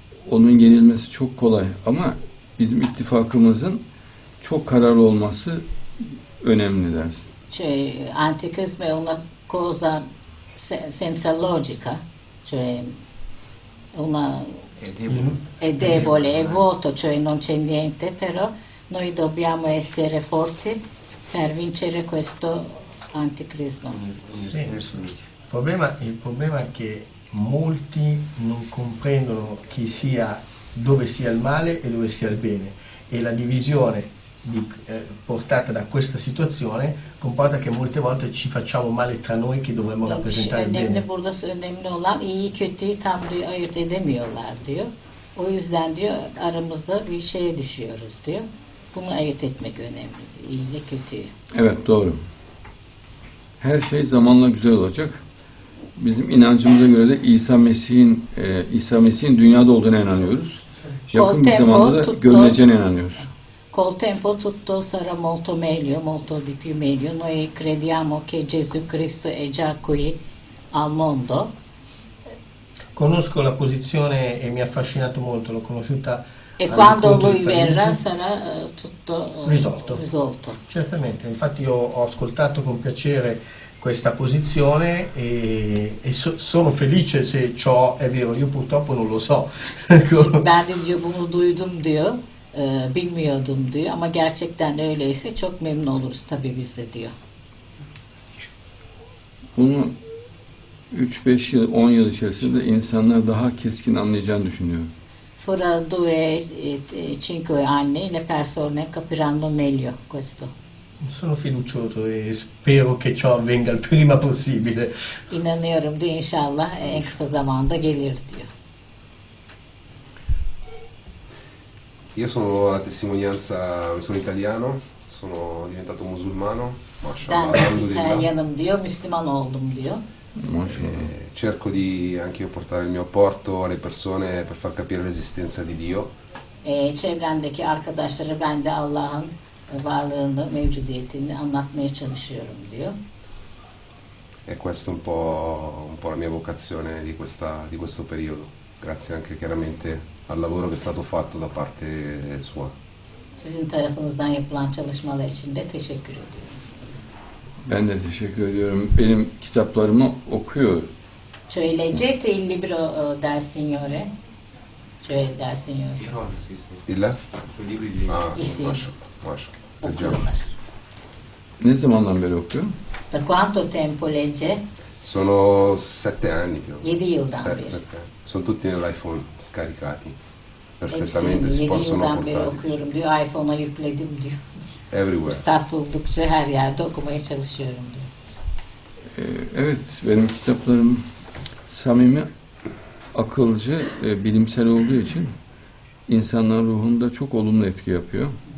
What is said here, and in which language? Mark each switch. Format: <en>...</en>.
<tr>Onun yenilmesi çok kolay ama bizim ittifakımızın çok kararlı olması önemli dersin.</tr> <it>Antikrizm è una cosa senza logica, cioè una è debole, è vuoto, cioè non c'è niente, però noi dobbiamo essere forti per vincere questo anticrismo. Il problema è che molti non comprendono chi sia, dove sia il male e dove sia il bene, e la divisione portata da questa situazione comporta che molte volte ci facciamo male tra noi che dovremmo rappresentare il bene.</it> <tr>Burada önemli olan iyi kötüyü tam ayırt edemiyorlar diyor. O yüzden diyor aramızda bir şeye düşüyoruz diyor. Bunu ayırt etmek önemli. İyi ile kötüyü. Evet, doğru. Her şey zamanla güzel olacak. Bizim inancımıza göre de İsa Mesih'in dünyada olduğuna inanıyoruz. Yakın bir zamanda da görüneceğine inanıyoruz.</tr> <it>Col tempo tutto sarà molto meglio, molto di più meglio. Noi crediamo che Gesù Cristo è già qui al mondo. Conosco la posizione e mi ha affascinato molto, l'ho conosciuta. E quando lui verrà sarà tutto risolto. Certamente, infatti io ho ascoltato con piacere questa posizione sono felice se ciò è vero. Io purtroppo non lo so.</it> <tr>Ben diyor, bunu duydum diyor. Bilmiyordum diyor ama gerçekten öyleyse çok memnun oluruz tabii biz de diyor. Bunu 3-5 yıl, 10 yıl içerisinde insanlar daha keskin anlayacağını düşünüyorum.</tr> <it>Fra due cinque anni le persone capiranno meglio questo. Sono fiducioso e spero che ciò avvenga il prima possibile.</it> <tr>İnanıyorum diyor, inşallah en kısa zamanda gelir diyor.</tr> <it>Io sono a testimonianza, sono italiano, sono diventato musulmano, cerco di anche io portare il mio apporto alle persone per far capire l'esistenza di Dio.</it> <tr>E çevrendeki arkadaşları ben de Allah'ın varlığını, mevcudiyetini anlatmaya çalışıyorum diyor.</tr> <it>E questo è un po' la mia vocazione di questo periodo. Grazie anche chiaramente al lavoro che è stato fatto da parte sua.</it> <tr>Sizin tarafınızdan yapılan çalışmalar için de teşekkür ediyorum. Ben de teşekkür ediyorum. Benim kitaplarımı okuyor.</tr> <it>Cioè leggete il libro del Signore. Cioè del Signore. Il libro di Maşallah.</it> <tr>Ne zamandan beri okuyor?</tr> <it>Da quanto tempo legge? Sono 7 anni più.</it> <tr>7 yıldan beri.</tr> <it>Sono tutti nell'iPhone scaricati. Perfettamente si possono portare.</it> <tr>Okuyorum diyor, iPhone'a yükledim diyor.</tr> <en>Everywhere.</en> <tr>Fırsat buldukça her yerde okumaya çalışıyorum diyor. Evet, benim kitaplarım samimi, akılcı, bilimsel olduğu için insanların ruhunda çok olumlu etki yapıyor.</tr>